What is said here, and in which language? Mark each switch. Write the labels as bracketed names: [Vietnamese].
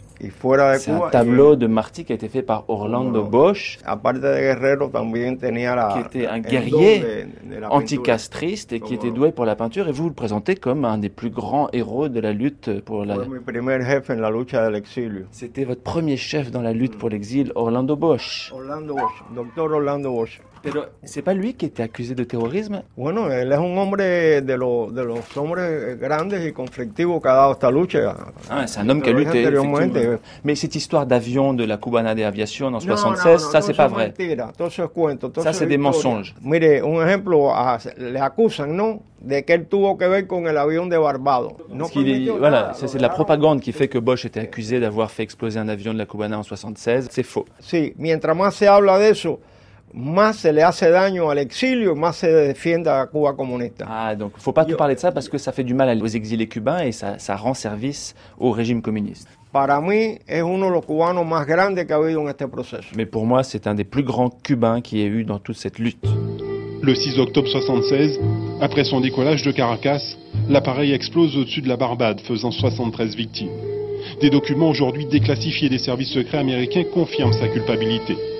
[French] C'est un tableau de Martí qui a été fait par Orlando Bosch, qui était un guerrier anticastriste et qui était doué pour la peinture. Et vous le présentez comme un des plus grands héros de la lutte pour la... C'était votre premier chef dans la lutte pour l'exil, Orlando Bosch. Orlando Bosch, docteur Orlando Bosch. Pero c'est pas lui qui était accusé de terrorisme? [Spanish] Bueno, él es un hombre de los hombres grandes y conflictivos que ha dado esta lucha. [French] Ah, c'est un homme qui a lutté effectivement. Mais cette histoire d'avion de la Cubana de Aviación en 76, [Spanish] no, [French] ça c'est pas vrai. [Spanish] Mentira, todo eso es cuento, todo [French] ça c'est des mensonges. [Spanish] Mire, un ejemplo, le acusan, ¿no? De qu'il tuvo que ver con el avión de Barbados. [French] Voilà, c'est de la propagande qui fait que Bosch était accusé d'avoir fait exploser un avion de la Cubana en 76, c'est faux. [Spanish] Sí, mientras más se habla de eso, más se le hace daño al exilio, más se defiende a Cuba comunista. [French] Ah, donc faut pas tout parler de ça parce que ça fait du mal aux exilés cubains et ça rend service au régime communiste. [Spanish] Para mí es uno de los cubanos más grandes que ha habido en este proceso. [French] Mais pour moi, c'est un des plus grands cubains qui ait eu dans toute cette lutte. Le 6 octobre 76, après son décollage de Caracas, l'appareil explose au-dessus de la Barbade, faisant 73 victimes. Des documents aujourd'hui déclassifiés des services secrets américains confirment sa culpabilité.